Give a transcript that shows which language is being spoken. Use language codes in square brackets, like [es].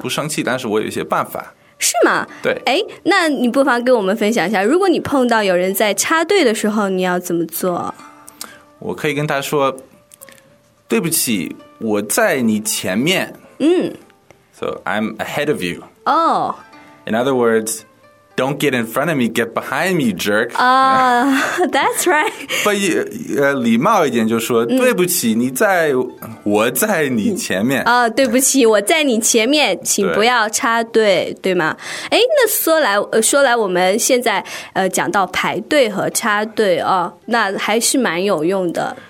[zh] 不生气，但是我有一些办法。是吗？对。哎，那你不妨跟我们分享一下，如果你碰到有人在插队的时候，你要怎么做？我可以跟他说，对不起，我在你前面。 [en] So I'm ahead of you. Oh. In other words, don't get in front of me, get behind me, jerk. That's right. [zh] But 礼貌一点就说、mm. 对不起，你在我在你前面。啊、对不起，我在你前面，请不要插队，对吗？哎，那说来我们现在讲到排队和插队啊、哦，那还是蛮有用的。